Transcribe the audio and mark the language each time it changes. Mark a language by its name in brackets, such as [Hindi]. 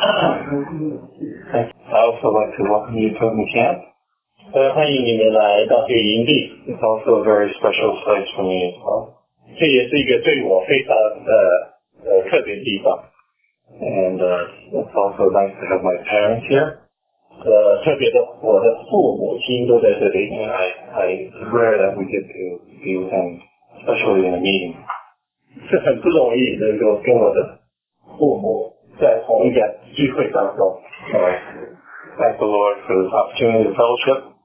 [English] I also like to welcome you to the camp. [Chinese] 欢迎你们来到这个营地. [English] It's also a very special place for me as well. [Chinese] 这也是一个对我非常特别的地方. [English] And it's also nice to have my parents here. [Chinese] 特别的，我的父母亲都在这里. [English] It's rare that we get to be with them, especially in a meeting. [Chinese] 是很不容易能够跟我的父母在同一个机会当中. [English] Thank the Lord for this opportunity to fellowship.